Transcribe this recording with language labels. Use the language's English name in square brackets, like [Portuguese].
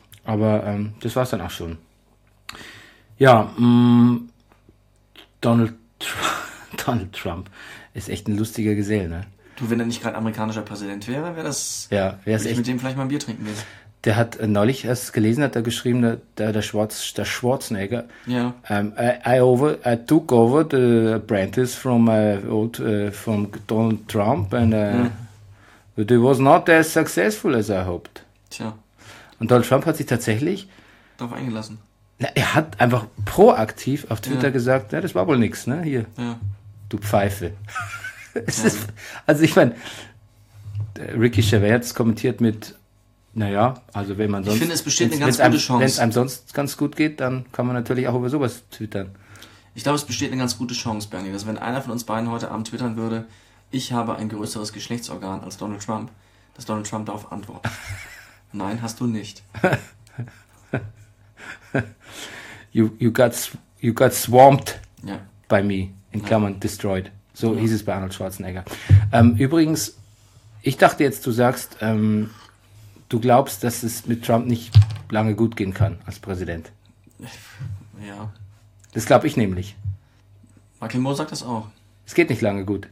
[German] Aber das war's dann auch schon. Ja, Donald Trump ist echt ein lustiger Gesell, ne? Du, wenn er nicht gerade amerikanischer Präsident wäre, wäre das... Ja, wäre es echt... mit dem vielleicht mal ein Bier trinken will. Der hat neulich erst gelesen, hat er geschrieben, der Schwarzenegger. Ja. [English] I took over the apprentice from my old from Donald Trump and but it was not as successful as I hoped. [German] Tja. Und Donald Trump hat sich tatsächlich darauf eingelassen. Na, er hat einfach proaktiv auf Twitter gesagt, ja, das war wohl nichts, ne? Hier. Ja. Du Pfeife. Ricky Gervais hat es kommentiert mit: Naja, also wenn man sonst... Ich finde, es besteht eine ganz gute Chance. Wenn es einem sonst ganz gut geht, dann kann man natürlich auch über sowas twittern. Ich glaube, es besteht eine ganz gute Chance, Bernie, dass wenn einer von uns beiden heute Abend twittern würde: Ich habe ein größeres Geschlechtsorgan als Donald Trump, dass Donald Trump darauf antwortet: Nein, hast du nicht. [English] you got swamped by me, [German] in Klammern [English] destroyed. [German] So hieß es bei Arnold Schwarzenegger. Übrigens, ich dachte jetzt, du sagst... Du glaubst, dass es mit Trump nicht lange gut gehen kann als Präsident? Ja. Das glaube ich nämlich. Michael Moore sagt das auch. Es geht nicht lange gut.